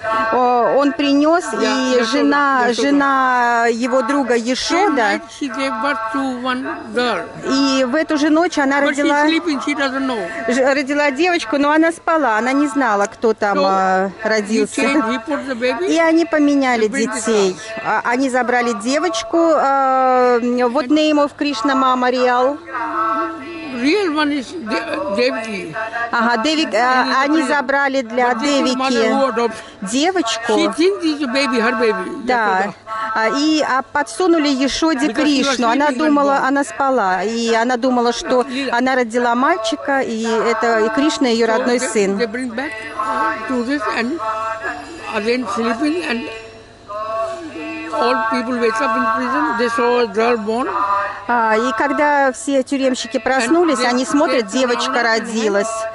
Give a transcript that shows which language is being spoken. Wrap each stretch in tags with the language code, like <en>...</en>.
<ru>Он принес, и жена его друга Яшода, и в эту же ночь она родила девочку, но она спала, она не знала, кто там родился. И они поменяли детей. Они забрали девочку, вот</ru> <en>name of Krishna Mama Real. Real one is Devaki.</en> <ru>Ага, Девики. Они забрали для Девики девочку.</ru> <en>She thinks it's a baby, her baby.</en> <ru>Да. И подсунули Яшоде Кришну. Она думала, она спала. И она думала, что она родила мальчика, и это и Кришна, ее родной сын.</ru> <en>They bring back to this and again sleeping and all people wake up in prison. They saw a girl born.</en> <ru>И когда все тюремщики проснулись, они смотрят, девочка родилась.</ru>